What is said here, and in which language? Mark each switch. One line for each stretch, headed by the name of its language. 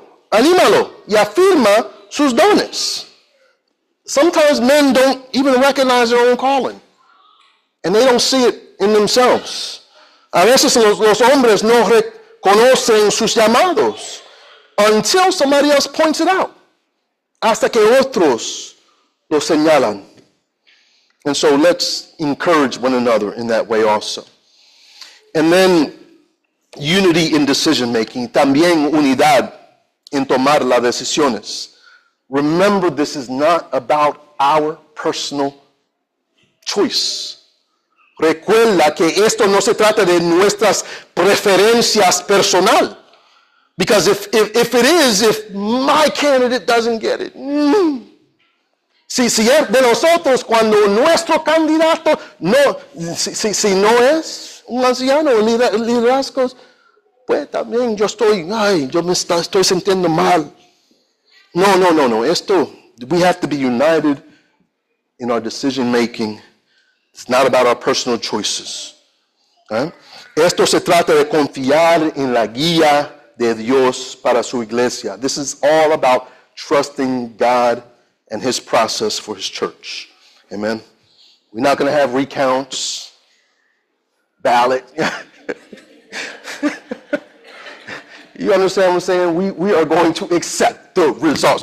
Spanish: Anímalo y afirma sus dones.
English: Sometimes men don't even recognize their own calling, and they don't see it in themselves.
Spanish: A veces los hombres no conocen sus llamados
English: until somebody else points it out.
Spanish: Hasta que otros lo señalan.
English: And so let's encourage one another in that way also. And then unity in decision making.
Spanish: También unidad en tomar las decisiones.
English: Remember, this is not about our personal choice.
Spanish: Recuerda que esto no se trata de nuestras preferencias personal.
English: Because if it is, if my candidate doesn't get it.
Spanish: Si es de nosotros, cuando nuestro candidato no, si no es un anciano, liderazgo, pues también yo estoy, ay, yo me estoy sintiendo mal. No.
English: Esto, we have to be united in our decision making. It's not about our personal choices.
Spanish: Esto se trata de confiar en la guía de Dios para su iglesia.
English: This is all about trusting God and His process for His church. Amen. We're not going to have recounts, ballot. You understand what I'm saying? We are going to accept the results.